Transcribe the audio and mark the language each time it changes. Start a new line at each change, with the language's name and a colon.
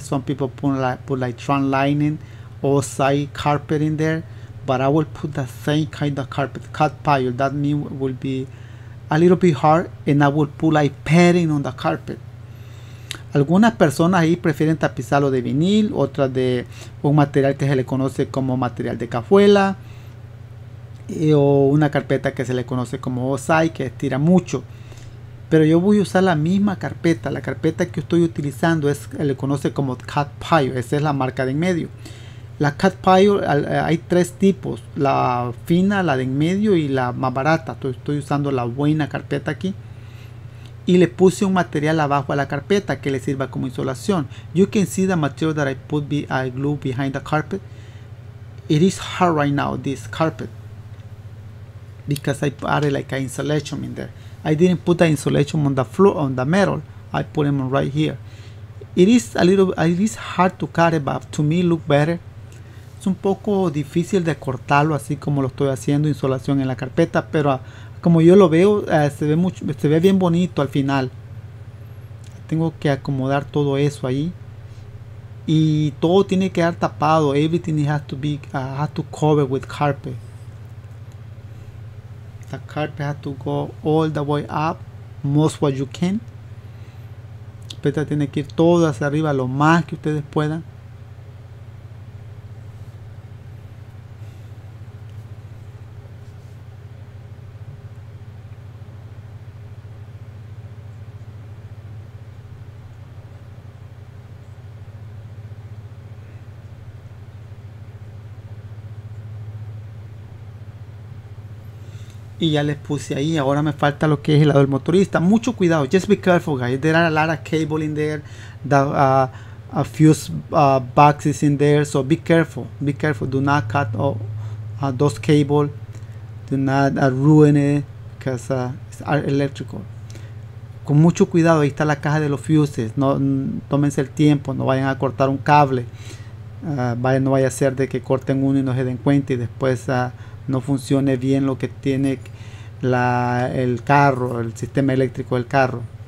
English: Some people put like Tron lining or side carpet in there. But I will put the same kind of carpet, cut pile. That means it will be a little bit hard, and I will put like padding on the carpet.
Spanish: Algunas personas ahí prefieren tapizarlo de vinil, otras de un material que se le conoce como material de cafuela, o una carpeta que se le conoce como Osai, que estira mucho. Pero yo voy a usar la misma carpeta. La carpeta que estoy utilizando es, se le conoce como Cat Pile. Esa es la marca de en medio. La Cat Pile, hay tres tipos: la fina, la de en medio y la más barata. Estoy usando la buena carpeta aquí. Y le puse un material abajo a la carpeta que le sirva como insulación.
English: You can see the material that I put I glue behind the carpet. It is hard right now, this carpet. Because I added like an insulation in there. I didn't put the insulation on the floor, on the metal. I put them right here. It is hard to cut it, but to me it looks better.
Spanish: Es un poco difícil de cortarlo así como lo estoy haciendo, insulación en la carpeta, pero... como yo lo veo, se ve bien bonito al final. Tengo que acomodar todo eso ahí. Y todo tiene que quedar tapado.
English: Everything has to cover with carpet. The carpet has to go all the way up, most what you can.
Spanish: Pero tiene que ir todo hacia arriba, lo más que ustedes puedan. Y ya les puse ahí, ahora me falta lo que es el lado del motorista. Mucho cuidado,
English: just be careful guys, there are a lot of cable in there, the a fuse box is in there, so be careful, do not cut those cable, do not ruin it, because it's electrical.
Spanish: Con mucho cuidado, ahí está la caja de los fuses, no tómense el tiempo, no vayan a cortar un cable, no vaya a ser de que corten uno y no se den cuenta y después... no funcione bien lo que tiene el carro, el sistema eléctrico del carro.